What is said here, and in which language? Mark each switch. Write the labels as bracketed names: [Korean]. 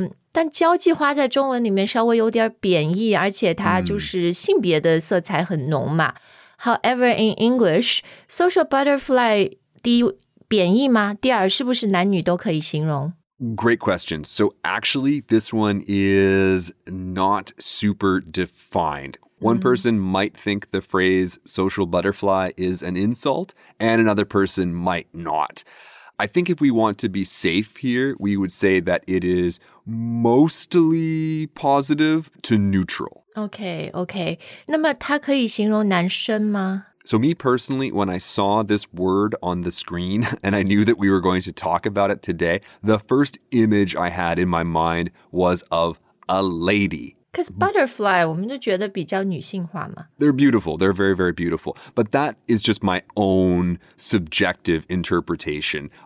[Chinese] 但交际花在中文里面稍微有点贬义，而且它就是性别的色彩很浓嘛。 [English] Mm. However, in English, social butterfly, [Chinese] 第一贬义吗？第二，是不是男女都可以形容？ [English] Great question. So actually, this one is not super defined. One person might think the phrase social butterfly is an insult, and another person might not. I think if we want to be safe here, we would say that it is mostly positive to neutral. Okay, okay. [Chinese] 那么它可以形容男生吗？ [English] So me personally, when I saw this word on the screen and I knew that we were going to talk about it today, the first image I had in my mind was of a lady. [Chinese] Because butterfly, 我们就觉得比较女性化嘛。 [English] They're beautiful. They're very, very beautiful. But that is just my own subjective interpretation.